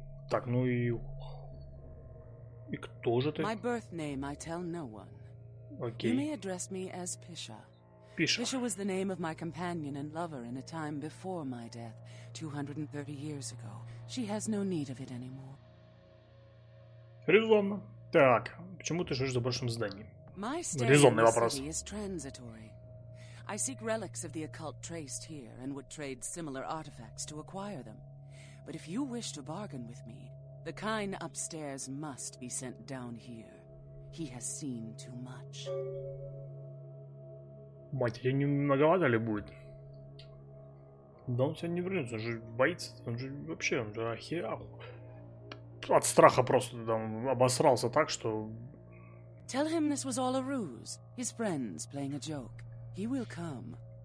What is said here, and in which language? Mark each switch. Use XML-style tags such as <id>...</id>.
<ru>Так, ну и кто же ты?</ru> <en>My birth name I tell no one.</en> <ru>Окей.</ru> <en>You may address me as Pisha. Pisha. Pisha was the name of my companion and lover in a time before my death, 230 years ago. She has no need of it anymore.</en> <ru>Резонно. Так, почему ты живешь в заброшенном здании?</ru> <en>My stay</en> <ru>Резонный вопрос.</ru> <en>Is transitory. I seek relics of the occult traced here and would trade similar artifacts to acquire them. But if you wish to bargain with me, the kine upstairs must be sent down here. He has seen too much.</en> <ru>Мать, я не многовато ли будет? Да он сегодня не вернется, он же боится, он же вообще, он же охерел. От страха просто там обосрался так, что...</ru> <en>Tell him this was all a ruse. His friends playing a joke. He will come.</en>